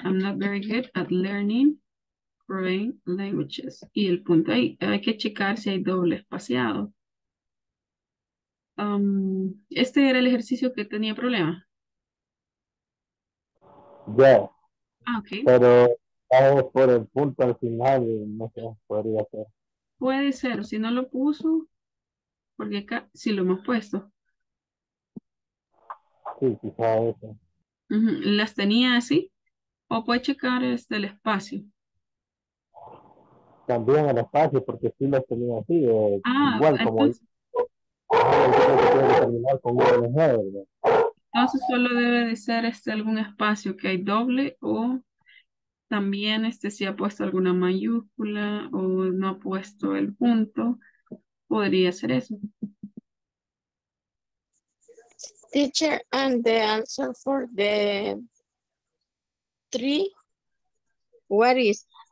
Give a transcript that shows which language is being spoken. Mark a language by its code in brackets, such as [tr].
[en] I'm not very good at learning foreign languages. [es] Y el punto ahí, hay que checar si hay doble espaciado. Este era el ejercicio que tenía problema. Ya. Yeah. Ah, ok. Pero vamos por el punto al final, no sé, podría ser. Puede ser, si no lo puso, porque acá sí lo hemos puesto. Sí, quizá eso. ¿Las tenía así? ¿O puede checar este, el espacio? También el espacio, porque sí las tenía así, igual como entonces solo debe de ser este algún espacio que hay doble o también este si ha puesto alguna mayúscula o no ha puesto el punto, podría ser eso. [en] Teacher, and the answer for the three, what is?